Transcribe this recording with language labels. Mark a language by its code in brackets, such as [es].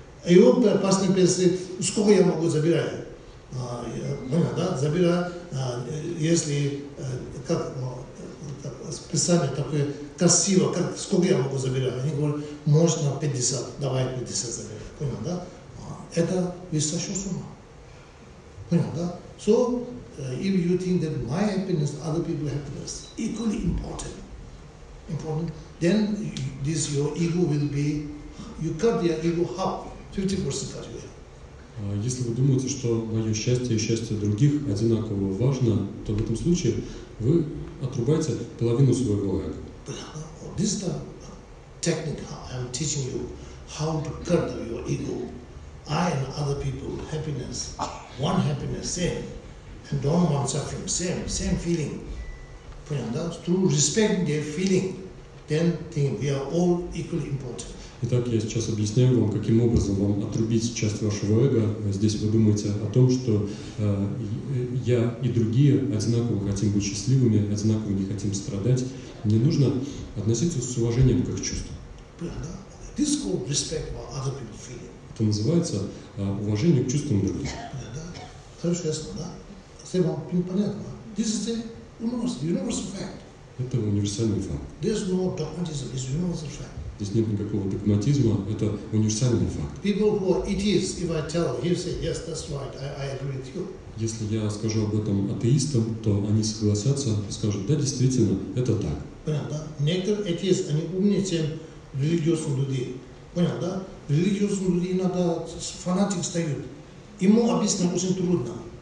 [ru] И вот опасные пенсии, сколько я могу забирать? Понятно? Забираю. Если как списание такое красиво, как, сколько я могу забирать? Они говорят, можно 50, давай 50 забирать. Понял, да? Это высшая сумма. Понял, да? [en] So, if you think that my happiness, other people's happiness, equally important, then this your ego will be, you cut your ego half, 50% cut your ego. [ru] Если вы думаете, что мое счастье и счастье других одинаково важно, то в этом случае вы отрубаете половину своего эго. [en] This is the technique I'm teaching you how to cut your ego. I and other people happiness, one happiness same, and don't want suffering same feeling. [ru] Понятно? [en] Through respect their feeling, then think we are all equally important. [ru] Итак, я сейчас объясняю вам, каким образом вам отрубить часть вашего эго. Здесь вы думаете о том, что я и другие одинаково хотим быть счастливыми, одинаково не хотим страдать. Мне нужно относиться с уважением к их чувствам. [en] This is called respect for other people's feelings. [ru] Это называется уважение к чувствам других. Хорошо, ясно, да? Все вам понятно. [en] This is the universal fact. [ru] Это универсальный факт. [en] There's no dogmatism, it's universal fact. [ru] Здесь нет никакого догматизма, это универсальный факт. [en] People who are atheists, if I tell, he'll say, yes, that's right, I agree with you. [ru] Если я скажу об этом атеистам, то они согласятся, скажут, да, действительно, это так. Понятно, да? Некоторые атеисты, они умнее, чем религиозные люди. Понятно, да? Религиозные люди иногда фанатик встают. Ему объяснить очень трудно.